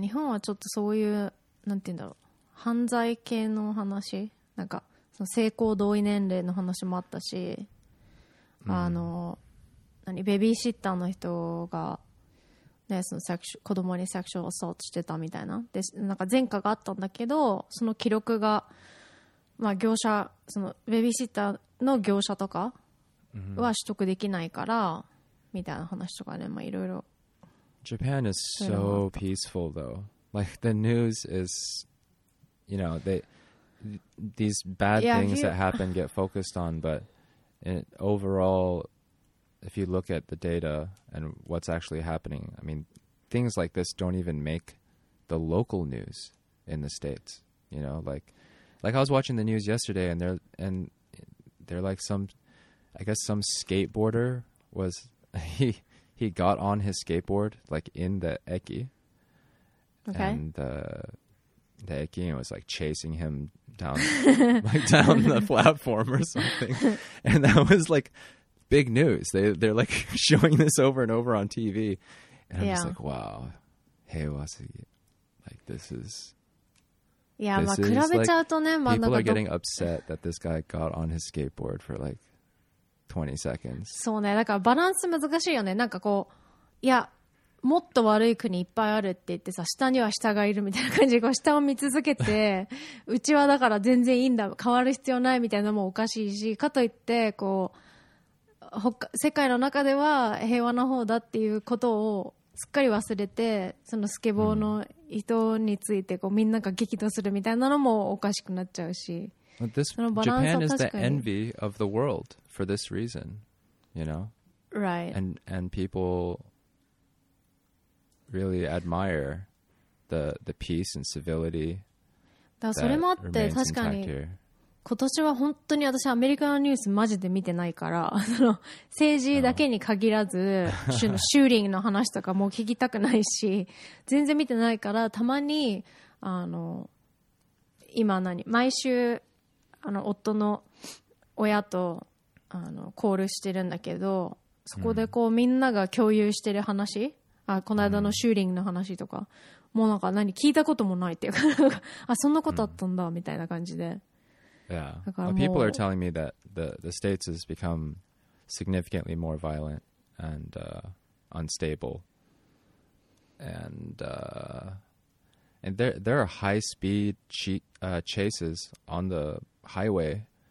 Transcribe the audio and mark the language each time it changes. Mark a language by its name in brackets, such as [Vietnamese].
[Japanese] 日本はちょっとそういう、なんて言うんだろう、犯罪系の話、なんか、その性交同意年齢の話もあったし、あの、何、ベビーシッターの人が、ね、そのセクシュ、子供にセクシュアルアソートしてたみたいな。で、なんか前科があったんだけど、その記録が、まあ、業者、そのベビーシッターの業者とかは取得できないから、みたいな話とかね、まあ、いろいろ。 [English] Japan is so peaceful though. Like, the news is, you know, these bad things that happen get focused on, but overall, if you look at the data and what's actually happening, I mean, things like this don't even make the local news in the States, you know, like I was watching the news yesterday and they're like some skateboarder was, he got on his skateboard, like in the eki. Okay. And the eki was like chasing him down, like down the platform or something. And that was like big news. They're like showing this over and over on TV. And I'm just like, wow. Hey, what's it? Like, this is... [Japanese] いや、まあ、比べちゃうとね、 [English] まあ、people are getting upset that this guy got on his skateboard for like 20 seconds. [Japanese] そうね、だからバランス難しいよね。なんかこう、いや、もっと悪い国いっぱいあるって言ってさ、下には下がいるみたいな感じで、こう下を見続けて、うちはだから全然いいんだ、変わる必要ないみたいなのもおかしいし、かといって、こう、世界の中では平和の方だっていうことを、すっかり忘れて、そのスケボーの人についてこうみんなが激怒するみたいなのもおかしくなっちゃうし、 this, そのバランスは確かに。 [English] Japan is the envy of the world for this reason, you know? Right. And people really admire the peace and civility that remains intact here. [Japanese] だからそれもあって、確かに。今年は本当に私アメリカのニュースマジで見てないから、その政治だけに限らず、シューリングの話とかも聞きたくないし、全然見てないから、たまに、あの、今何、毎週、あの、夫の親と、あの、コールしてるんだけど、そこでこう、みんなが共有してる話、あ、この間のシューリングの話とか、もうなんか何、聞いたこともないっていうか、あ、そんなことあったんだ、みたいな感じで。 [English] Yeah, well, people are telling me that the States has become significantly more violent and unstable, and there are high speed chases on the highway.